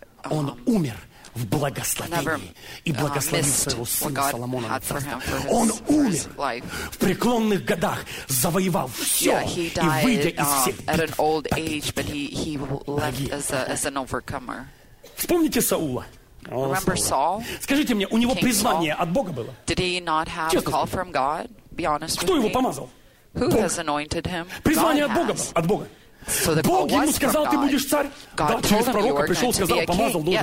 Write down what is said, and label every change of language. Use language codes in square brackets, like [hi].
[ru] Он умер в благословении и благословил своего сына Соломона на царство. Он умер в преклонных годах, завоевал все и выйдя из всех битв победителем. Вспомните Саула. [en] Remember Saul? [ru] Скажите мне, у него призвание от Бога было? [en] Did he not have a call from God? Be honest with [ru] me. Кто его помазал? [en] Who has anointed him? [ru] Призвание от Бога было, от Бога. [en] So the [ru] Бог ему сказал, ты будешь царь. [en] God [ru] да, через пророка пришел, сказал, помазал, должен